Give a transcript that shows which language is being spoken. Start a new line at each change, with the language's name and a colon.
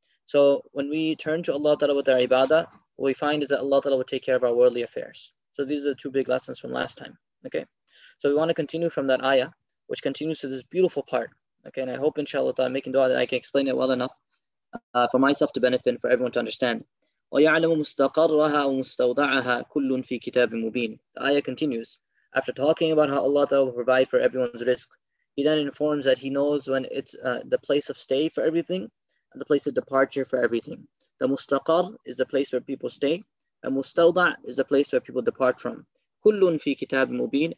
English: So when we turn to Allah Ta'ala with our ibadah, what we find is that Allah Ta'ala will take care of our worldly affairs. So these are the two big lessons from last time. Okay, so we want to continue from that ayah, which continues to this beautiful part. Okay, and I hope inshallah I'm making dua that I can explain it well enough for myself to benefit and for everyone to understand.
Arabic: وَيَعْلَمُ مُسْتَقَرَّهَا وَمُسْتَوْضَعَهَا كُلٌّ فِي كِتَابٍ مُبِينٍ.
English: The ayah continues. After talking about how Allah Ta'ala will provide for everyone's risk, He then informs that He knows when it's the place of stay for everything and the place of departure for everything. The mustaqar is the place where people stay, and mustawda' is the place where people depart from.
Arabic: كُلٌّ فِي كِتَابٍ مُبِينٍ.